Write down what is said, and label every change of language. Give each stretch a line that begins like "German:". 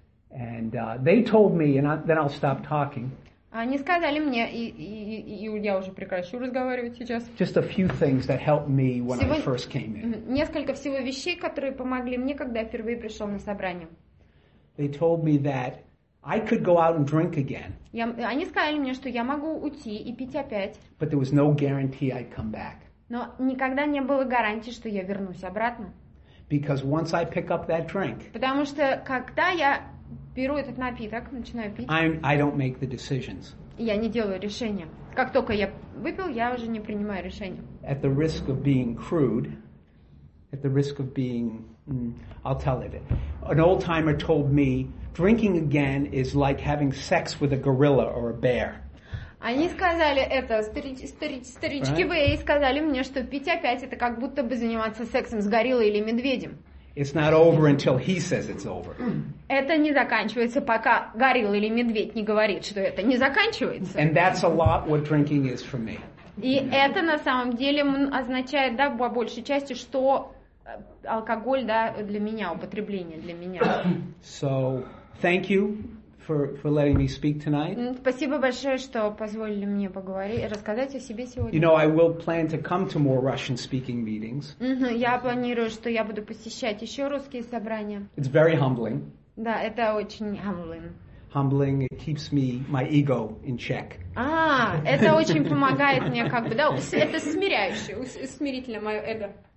English: And they told me, and then I'll stop talking.
Russian: Они сказали мне, и я уже прекращу разговаривать сейчас.
English: Just a few things that helped me when I first came in.
Russian: Несколько всего вещей, которые помогли мне, когда я впервые пришел на собрание.
English: They told me that I could go out and drink again.
Russian: Они сказали мне, что я могу уйти и пить опять.
English: But there was no guarantee I'd come back.
Russian: Но никогда не было гарантии, что я вернусь обратно.
English: Because once I pick up that drink.
Russian: Потому что когда я беру этот напиток, начинаю пить.
English: I don't make the decisions.
Russian: Я не делаю решения. Как только я выпил, я уже не принимаю решения.
English: At the risk of being crude, at the risk of being, I'll tell it. An old timer told me, drinking again is like having sex with a gorilla or a bear.
Russian: Они сказали это, старички вы, и сказали мне, что пить опять, это как будто бы заниматься сексом с гориллой или медведем.
English: It's not over until he says it's over.
Russian: Это не заканчивается, пока горилла или медведь не говорит, что это не заканчивается.
English: And that's a lot what drinking is for me.
Russian: И это на самом деле означает, да, по большей части, что алкоголь, да, для меня, употребление для меня.
English: So, thank you for letting me speak tonight.
Russian: Спасибо большое, что позволили мне поговорить, рассказать о себе сегодня.
English: You know, I will plan to come to more Russian-speaking meetings.
Russian: Я планирую, что я буду посещать еще русские собрания.
English: It's very humbling.
Russian: Да, это очень humbling.
English: Humbling, it keeps me, my ego in check.
Russian: Это очень помогает мне, как бы, да, это смиряющее, смирительно мое эго.